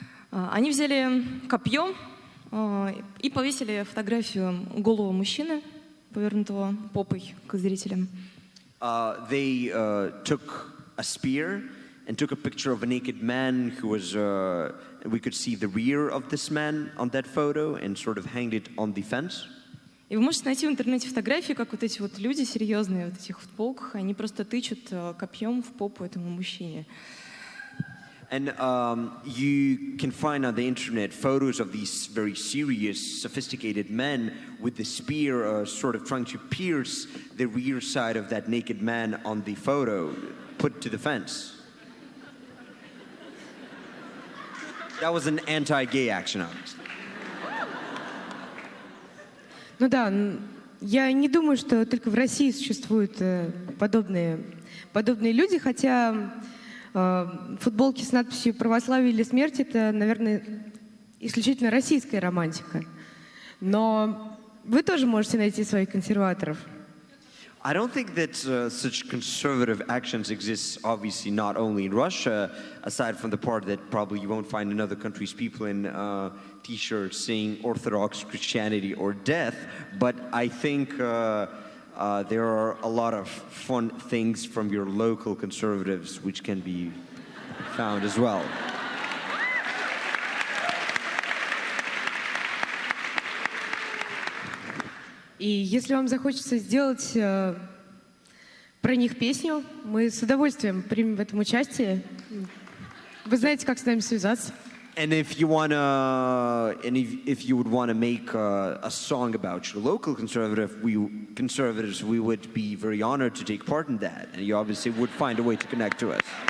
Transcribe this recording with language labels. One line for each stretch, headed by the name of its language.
Russian: Они взяли копье, и повесили фотографию голого мужчины, повернутого попой к зрителям.
English: They took a spear and took a picture of a naked man who was... we could see the rear of this man on that photo and sort of hanged it on the fence.
Russian: И вы можете найти в интернете фотографии, как вот эти вот люди серьезные, вот этих футболках, они просто тычут копьем в попу этому мужчине.
English: And you can find on the internet photos of these very serious, sophisticated men with the spear sort of trying to pierce the rear side of that naked man on the photo, put to the fence. That was an anti-gay action, obviously.
Russian: Ну да, я не думаю, что только в России существуют подобные люди, хотя... футболки с надписью «Православие или смерть» — это, наверное, исключительно российская романтика. Но вы тоже можете найти своих консерваторов.
English: I don't think that such conservative actions exist, obviously, not only in Russia, aside from the part that probably you won't find in other countries people in t-shirts saying Orthodox Christianity or death, but I think... there are a lot of fun things from your local conservatives which can be found as well.
Russian: И если вам захочется сделать про них песню, мы с удовольствием примем в этом участие. Вы знаете, как с нами связаться.
English: And if you would want to make a song about your local conservatives, we would be very honored to take part in that. And you obviously would find a way to connect to us.